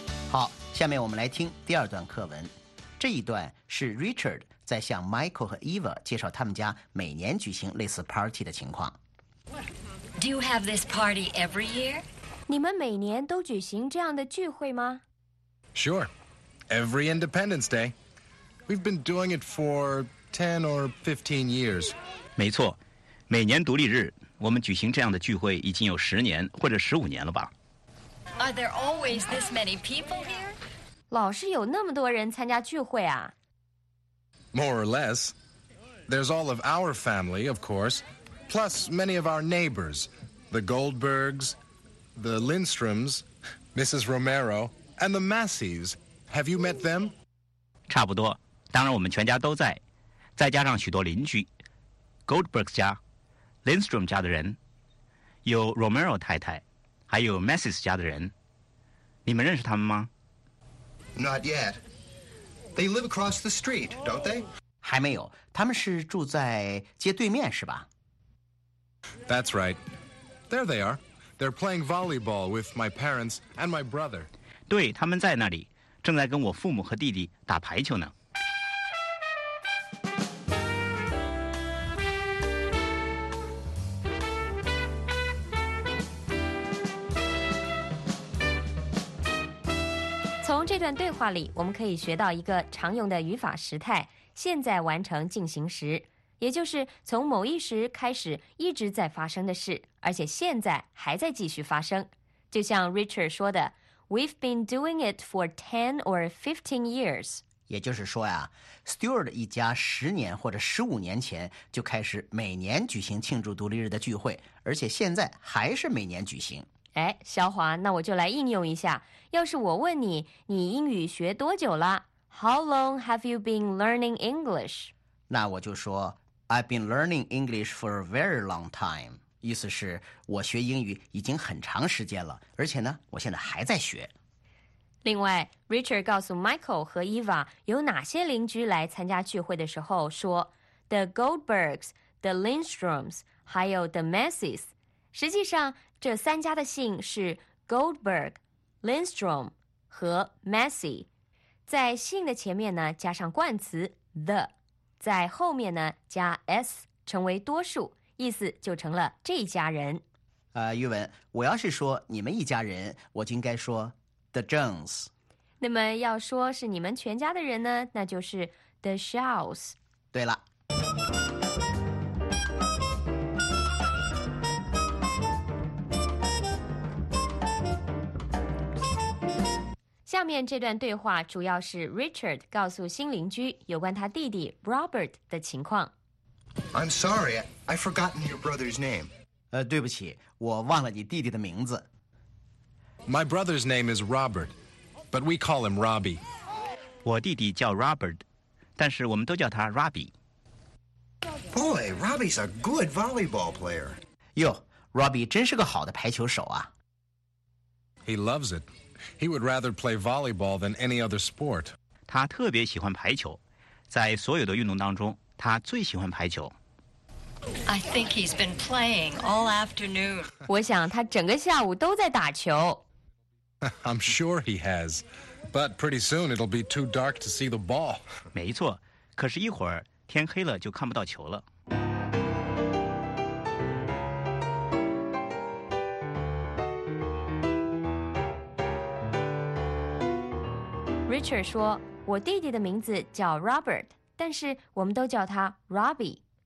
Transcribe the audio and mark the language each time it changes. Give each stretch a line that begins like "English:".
Chinese: 好，下面我们来听第二段课文。这一段是 Richard 在向 Michael 和 Eva 介绍他们家每年举行类似 party 的情况。
English: Do you have this party every year?
Chinese: 你们每年都举行这样的聚会吗？
English: Sure. Every Independence Day. We've been doing it for 10 or 15 years.
Chinese: 没错，每年独立日，我们举行这样的聚会已经有10年或者15年了吧。
English: Are there always this many people here?
Chinese: 老是有那么多人参加聚会啊。
English: More or less. There's all of our family, of course, plus many of our neighbors, the Goldbergs, the Lindstroms, Mrs. Romero, and the Massies. Have you met them?
Chinese: 差不多，当然我们全家都在，再加上许多邻居 ，Goldbergs 家 ，Lindstrom 家的人，有 Romero 太太，还有 Massies 家的人，你们认识他们吗？
English: Not yet. They live across the street, don't they?
Chinese: 还没有，他们是住在街对面，是吧
English: ？That's right. There they are. They're playing volleyball with my parents and my brother.
Chinese: 对，他们在那里，正在跟我父母和弟弟打排球呢。从这段对话里，我们可以学到一个常用的语法时态，现在完成进行时，也就是从某一时开始一直在发生的事，而且现在还在继续发生。就像 Richard 说的
English: We've been doing it for 10 or 15 years.
Chinese: 也就是说呀 Stewart 一家十年或者十五年前就开始每年举行庆祝独立日的聚会，而且现在还是每年举行。哎，小华，那我就来应用一下。要是我问你，你英语学多久了 ？
English: How long have you been learning English？
Chinese: 那我就说
English: ，I've been learning English for a very long time。
Chinese: 意思是我学英语已经很长时间了，而且呢，我现在还在学。另外 Richard 告诉 Michael 和 Eva 有哪些邻居来参加聚会的时候说 The Goldbergs, The Lindstroms, 还有 The Messies 实际上这三家的姓是 Goldberg, Lindstrom 和 Messy 在姓的前面呢加上冠词 The 在后面呢加 S 成为多数意思就成了这一家人玉文我要是说你们一家人我就应该说
English: The Jones
Chinese: 那么要说是你们全家的人呢那就是 The Shaws 对了下面这段对话主要是 Richard 告诉新邻居有关他弟弟 Robert 的情况
English: I'm sorry, I've forgotten your brother's name
Chinese: 对不起,我忘了你弟弟的名字
English: My brother's name is Robert, but we call him Robbie
Chinese: 我弟弟叫Robert,但是我们都叫他Robbie
English: Boy, Robbie's a good volleyball player
Chinese: 哟,Robbie真是个好的排球手啊
English: He loves it He would rather play volleyball than any other sport.
Chinese: 他特别喜欢排球，在所有的运动当中，他最喜欢排球。I
English: think he's been playing all afternoon.
Chinese: 我想他整个下午都在打球。I'm
English: sure he has, but pretty soon it'll be too dark to see the ball.
Chinese: 没错，可是一会儿天黑了就看不到球了。 Richard 说：“我弟弟的名字叫Robert，但是我们都叫他Robbie.